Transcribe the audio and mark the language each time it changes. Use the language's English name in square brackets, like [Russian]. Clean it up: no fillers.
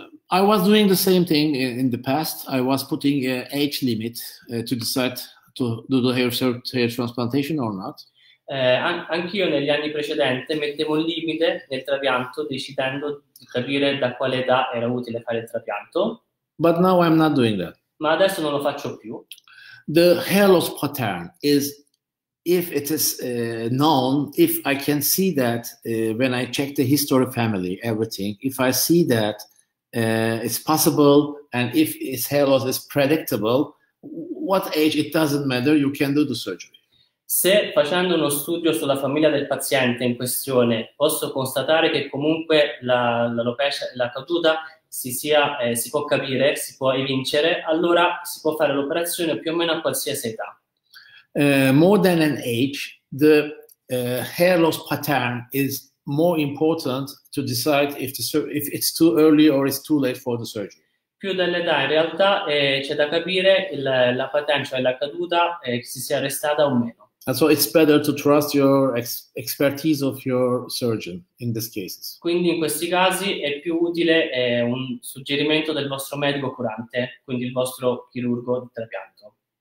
[English] I was doing the same thing in the past. I was putting an age limit to decide to do the hair transplantation or not. [Italian] Anch'io negli anni precedenti mettevo un limite nel trapianto decidendo di capire da quale età era utile fare il trapianto. [English] But now I'm not doing that. [Italian] Ma adesso non lo faccio più. [English] The hair loss pattern is, if it is known, if I can see that when I check the history family, everything, if I see that it's possible and if its hair loss is predictable, what age, it doesn't matter, you can do the surgery. [Italian] Se facendo uno studio sulla famiglia del paziente in questione posso constatare che comunque la caduta si può capire, si può evincere, allora si può fare l'operazione più o meno a qualsiasi età. [English] More than an age, the hair loss pattern is more important to decide if it's too early or it's too late for the surgery. [Italian] Più dell'età, in realtà c'è da capire la pattern, cioè la caduta, si sia arrestata o meno. [English] And so it's better to trust your expertise of your surgeon in these cases. [Italian] Quindi in questi casi è più utile un suggerimento del vostro medico curante, quindi il vostro chirurgo di trapianto.